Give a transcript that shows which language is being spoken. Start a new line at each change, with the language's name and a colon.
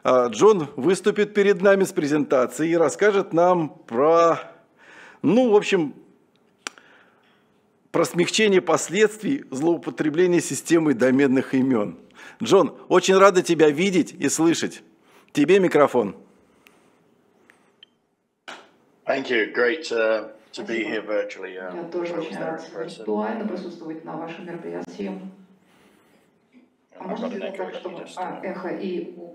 Russian: Джон выступит перед нами с презентацией и расскажет нам про, ну, в общем, про смягчение последствий злоупотребления системой доменных имен. Джон, очень рада тебя видеть и слышать. Тебе микрофон.
English: Thank you. Great to be here virtually.
Russian: Я тоже очень рад виртуально присутствовать на вашем мероприятии. А можно сделать так, чтобы эхо и...